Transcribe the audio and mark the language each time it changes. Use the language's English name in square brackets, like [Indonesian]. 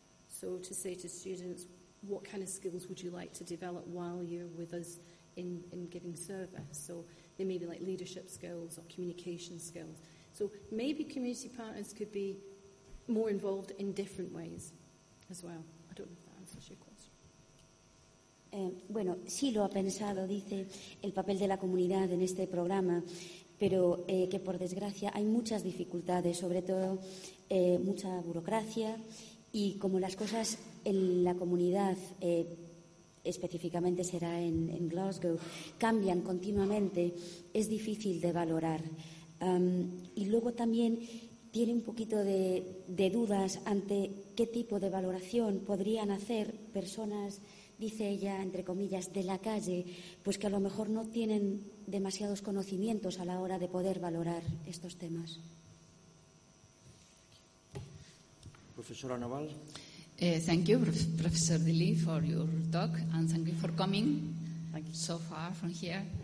[English] So to say to students, what kind of skills would you like to develop while you're with us in giving service? So they may be like leadership skills or communication skills. So maybe community partners could be more involved in different ways as well. I don't know if that answers your question. [Spanish] Bueno, sí lo ha pensado, dice, el papel de la comunidad en este programa, pero que por desgracia hay muchas dificultades, sobre todo mucha burocracia, y como las cosas en la comunidad, específicamente será en Glasgow, cambian continuamente, es difícil de valorar. Y luego también tiene un poquito de dudas ante qué tipo de valoración podrían hacer personas, dice ella, entre comillas, de la calle, pues que a lo mejor no tienen demasiados conocimientos a la hora de poder valorar estos temas. Profesora Naval. [English] Thank you, Professor Dilley, for your talk, and thank you for coming so far from here.